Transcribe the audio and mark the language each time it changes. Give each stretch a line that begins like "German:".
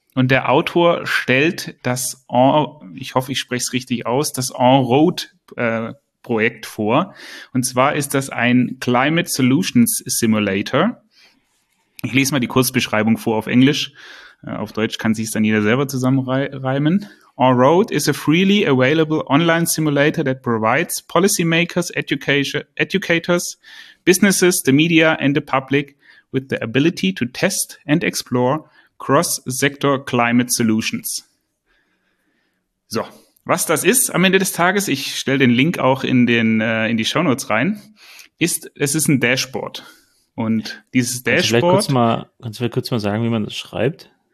German: Und der Autor stellt das En-ROAD-Projekt vor. Und zwar ist das ein Climate Solutions Simulator. Ich lese mal die Kurzbeschreibung vor auf Englisch. Auf Deutsch kann sich es dann jeder selber zusammenreimen.
English: On-Road is a freely available online simulator that provides policymakers, educators, businesses, the media and the public with the ability to test and explore cross-sector climate solutions.
German: So, was das ist am Ende des Tages, ich stelle den Link auch in die Shownotes rein, es ist ein Dashboard. Und dieses Dashboard... Kannst du vielleicht kurz mal sagen, wie man das schreibt?